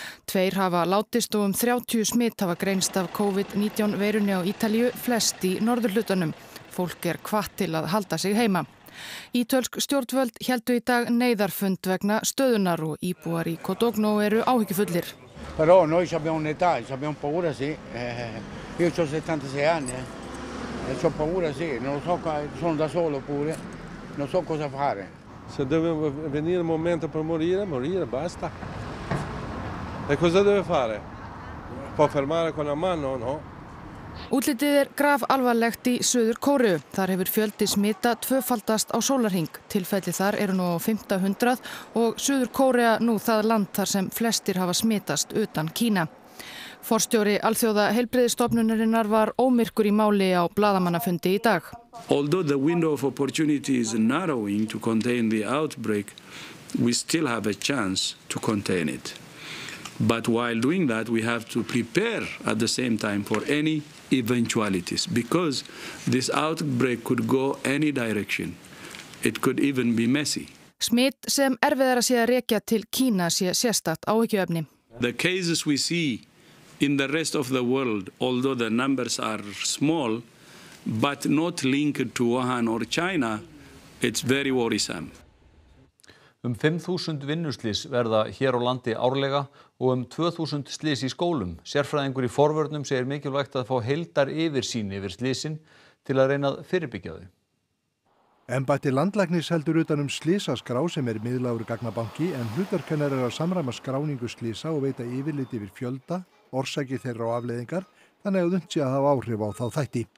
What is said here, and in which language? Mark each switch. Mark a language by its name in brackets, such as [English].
[Icelandic] Tveir hafa látist og 30 smit hafa greinst af COVID-19 verunni á Ítalíu, flest í norðurhlutanum. Fólk hvatt til að halda sig heima. Ítölsk stjórnvöld héldu í dag neyðarfund vegna stöðunar og íbúar í Kotokno eru áhyggjufullir. [Italian] Però noi abbiamo un'età, abbiamo paura, sì. Io ho 76 anni, eh. E ho paura, sì. Non lo so, sono da solo pure. Non so cosa fare. Se deve venire il momento per morire, morire, basta. E cosa deve fare? Può fermare con la mano, no? [Icelandic] Útlitið graf alvarlegt í Suður Kóreu. Þar hefur fjöldi smita tvöfaldast á sólarhring. Tilfelli þar eru nú 500 og Suður Kórea nú það land þar sem flestir hafa smitast utan Kína. Forstjóri Alþjóða heilbrigðisstofnunarinnar var ómyrkur í máli á blaðamannafundi í dag. [English] Although the window of opportunity is narrowing to contain the outbreak, we still have a chance to contain it. But while doing that, we have to prepare at the same time for any eventualities, because this outbreak could go any direction. It could even be messy. [Icelandic] Smit sem erfiðara sé að rekja til Kína sé sérstatt áhyggjuefni. [English] The cases we see in the rest of the world, although the numbers are small, but not linked to Wuhan or China, it's very worrisome. [Icelandic] 5,000 vinnuslys verða hér á landi árlega og 2,000 slys í skólum. Sérfræðingur í forvörnum segir mikilvægt að fá heildar yfirsýn yfir slysin til að reyna að fyrirbyggja þau. Embætti landlæknis heldur utanum slysaskrá sem miðlægur gagnabanki en hlutverk hennar að samræma skráningu slysa og veita yfirlit yfir fjölda, orsakir þeirra og afleiðingar, þannig að unnt sé að hafa áhrif á þá þætti.